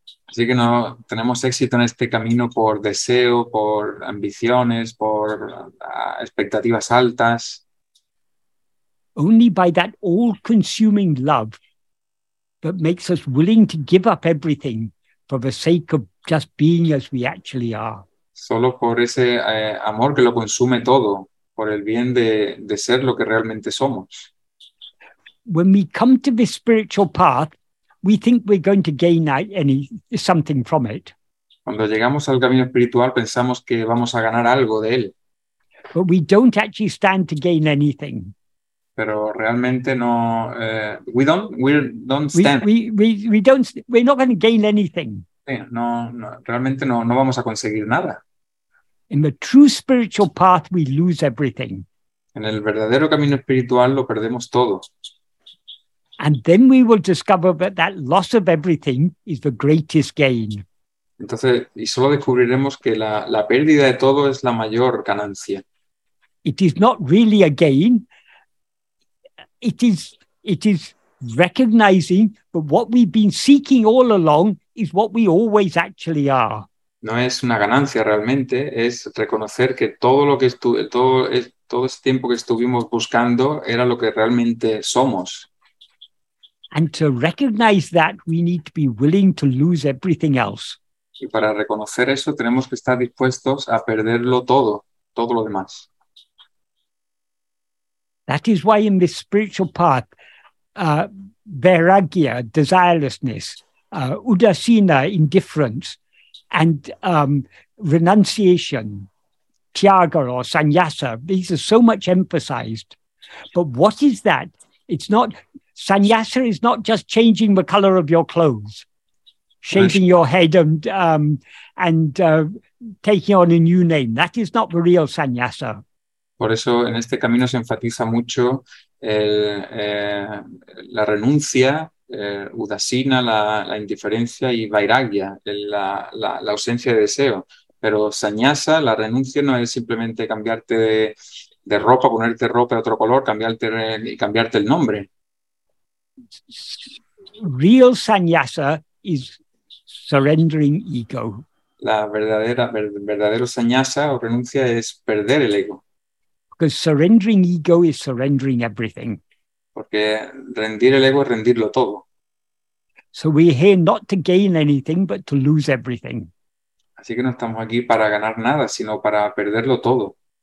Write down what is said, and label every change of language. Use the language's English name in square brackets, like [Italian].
[Spanish] Así que no tenemos éxito en este camino por deseo, por ambiciones, por expectativas altas. [English] Only by that all-consuming love that makes us willing to give up everything for the sake of just being as we actually are. [Spanish] Solo por ese amor que lo consume todo, por el bien de ser lo que realmente somos. [English] When we come to this spiritual path, we think we're going to gain something from it. [Spanish] Cuando llegamos al camino espiritual, pensamos que vamos a ganar algo de él. [English] But we don't actually stand to gain anything. [Spanish] Pero realmente no. [English] We don't stand. We don't. We're not going to gain anything. [Spanish] No, realmente no vamos a conseguir nada. [English] In the true spiritual path, we lose everything. [Spanish] En el verdadero camino espiritual lo perdemos todo. [English] And then we will discover that loss of everything is the greatest gain. [Spanish] Entonces, y solo descubriremos que la pérdida de todo es la mayor ganancia. [English] It is not really a gain. It is recognizing that what we've been seeking all along is what we always actually are. [Spanish] No es una ganancia realmente, es reconocer que todo ese tiempo que estuvimos buscando era lo que realmente somos. [English] And to recognize that, we need to be willing to lose everything else. [Spanish] Y para reconocer eso, tenemos que estar dispuestos a perderlo todo, todo lo demás. [English] That is why in this spiritual path, vairagya, desirelessness, udasina, indifference, and renunciation, tyaga or sannyasa, these are so much emphasized. But what is that? It's not, sannyasa is not just changing the color of your clothes, shaving your head and taking on a new name. That is not the real sannyasa. [Spanish] Por eso en este camino se enfatiza mucho la renuncia, udasina, la indiferencia y vairagya, la ausencia de deseo. Pero sannyasa, la renuncia, no es simplemente cambiarte de ropa, ponerte ropa de otro color, cambiarte el nombre. [English] Real sannyasa is surrendering ego. [Spanish] La verdadero sannyasa o renuncia es perder el ego. [English] Because surrendering ego is surrendering everything. [Spanish] Porque rendir el ego es rendirlo todo. [English] So we're here not to gain anything, but to lose everything. [Spanish] Así que no estamos aquí para ganar nada, sino para perderlo todo.